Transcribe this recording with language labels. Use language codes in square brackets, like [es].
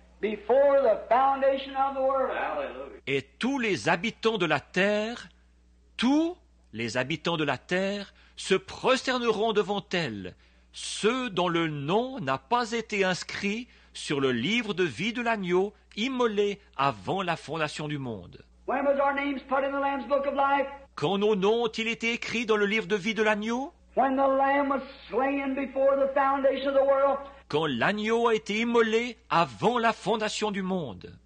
[en] Before the foundation of the world. [fr] Et tous les habitants de la terre, tous les habitants de la terre, se prosterneront devant elle, ceux dont le nom n'a pas été inscrit sur le livre de vie de l'agneau immolé avant la fondation du monde. [en] When was our names put in the Lamb's book of life? [fr] Quand nos noms ont-ils été écrits dans le livre de vie de l'agneau? [en] When the Lamb was slain before the foundation of the world. [fr] Quand l'agneau a été immolé avant la fondation du monde.